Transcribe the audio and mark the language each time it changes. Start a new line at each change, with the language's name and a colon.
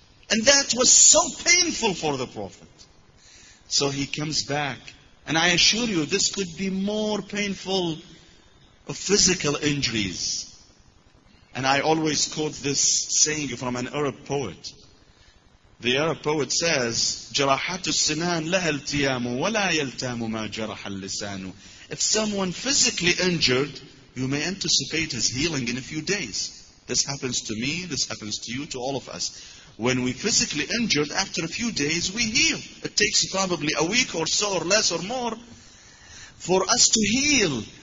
English: And that was so painful for the Prophet. So he comes back. And I assure you, this could be more painful of physical injuries. And I always quote this saying from an Arab poet. The Arab poet says,
Arabic: جَرَحَتُ السِّنَانُ لَهَا الْتِيَامُ وَلَا يَلْتَامُ مَا جَرَحَ اللِّسَانُ.
English: If someone physically injured, you may anticipate his healing in a few days. This happens to me, this happens to you, to all of us. When we physically injured, after a few days, we heal. It takes probably a week or so, or less or more, for us to heal.